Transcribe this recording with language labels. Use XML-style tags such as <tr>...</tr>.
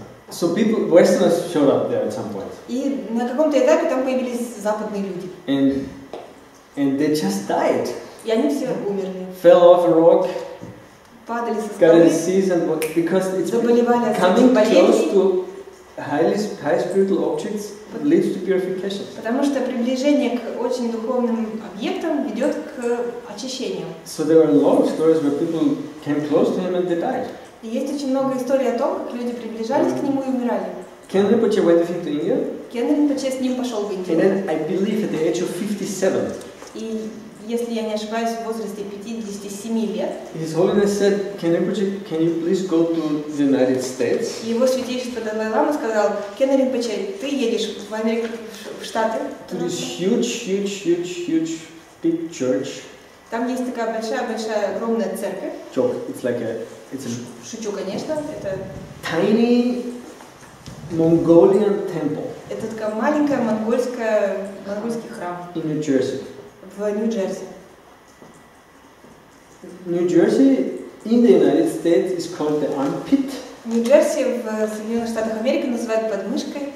<en>So people, Westerners showed up there at some point.</en> <ru>И на каком-то этапе там появились западные люди.</ru> <en>And they just died.</en> <ru>И они все умерли.</ru> <en>Fell off a rock.</en> <ru>Падали со скалы.</ru> <en>Got a disease and what? Because it's coming close to high spiritual objects. Leads to purification.</en> <ru>Потому что приближение к очень духовным объектам ведет к очищению.</ru> <en>So there are a lot of stories where people came close to him and they died.</en> <ru>И есть очень много историй о том, как люди приближались к нему и умирали.</ru> <en>Кен Ринпоче went with him to India?</en> <ru>Кен Ринпоче с ним пошел в Индию.</ru> <en>And then, I believe, at the age of 57.</en> <ru>И, если я не ошибаюсь, в возрасте 57 лет.</ru> <en>His Holiness said, Кен Ринпоче, can you please go to the United States?</en> <ru>Его святейшество Далай-Лама сказал, Кен Ринпоче, ты едешь в Америку, в Штаты?</ru> <en>To this huge, huge, huge, huge, big church.</en> <ru>Там есть такая большая-большая огромная церковь.</ru> <en>Чок, it's like a...</en> <ru>Шучу, конечно, это...</ru> <en>Tiny Mongolian temple.</en> <ru>Это такая маленькая монгольский храм.</ru> <en>In New Jersey.</en> <ru>В Нью-Джерси.</ru> <en>Нью-Джерси in the United States is called the armpit.</en> <ru>Нью-Джерси в Соединенных Штатах Америки называют подмышкой.</ru>